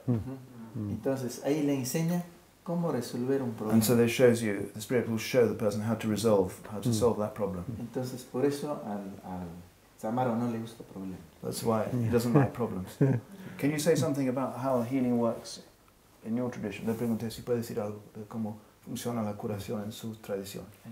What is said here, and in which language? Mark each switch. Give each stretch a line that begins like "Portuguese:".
Spanish: Entonces, ahí le enseña cómo resolver un problema.
English: And so they shows you, the spirit will show the person how to solve that problem.
Spanish: Entonces, por eso al Tzamaro no le gusta problemas.
English: That's why he doesn't like problems. Can you say something about how healing works in your tradition?
Spanish: Le pregunté si puede decir algo de cómo funciona la curación en su tradición.